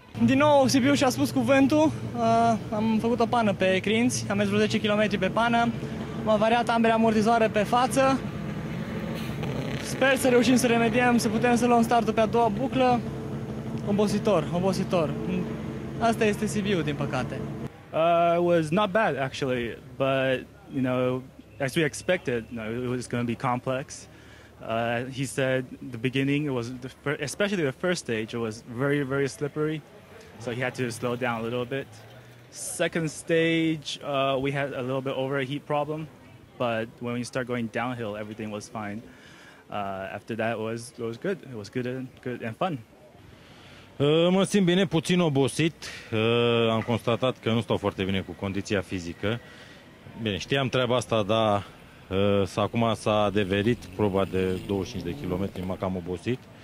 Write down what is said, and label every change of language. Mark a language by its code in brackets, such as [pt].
[ro] Din nou Sibiu și-a spus cuvântul, am făcut o pană pe crinți, am mers vreo 10 km pe pană, m-a variat ambele amortizoare pe față. Sper să reușim să remediem, să putem să luăm startul pe a doua buclă. Obositor. Asta este Sibiu, din păcate. [en] It was not bad, actually, but, you know, as we expected, you know, it was going to be complex. He said the beginning, it was especially the first stage, it was very, very slippery, so he had to slow down a little bit. Second stage, we had a little bit overheat problem, but when we start going downhill, everything was fine. After that, it was good. It was good and fun. [ro] Mă simt bine, puțin obosit. Am constatat că nu stau foarte bine cu condiția fizică. Bine, știam treaba asta, dar acum s-a adeverit proba de 25 de kilometri, m-am cam obosit.